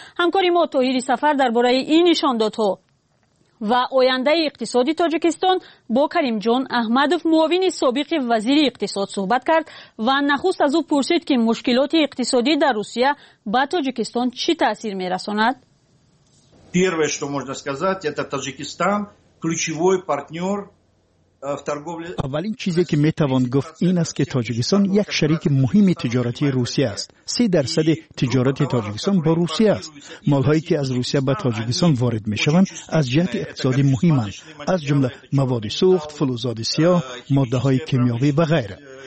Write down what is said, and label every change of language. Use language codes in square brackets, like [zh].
[fa] همکاری ما طاهر سفر درباره این نشان دادها و آینده اقتصادی تاجیکستان با کریم جان احمدوف معاون سابق وزیر اقتصاد صحبت کرد و نخست از او پرسید که مشکلات اقتصادی در روسیه به تاجیکستان چی تاثیر می رساند؟ [ru] первое что можно сказать это Таджикистан ключевой партнёр в торговле. [fa] اولین چیزی که می توان گفت این است که تاجیکستان یک شریک مهم تجارتی روسیه است. 30% تجارت تاجیکستان با روسیه است. مالهایی که از روسیه به تاجیکستان وارد می شوند از جهت اقتصادی مهمند، از جمله مواد سوخت، فلزات سیاه، ماده های کیمیاوی و غیره.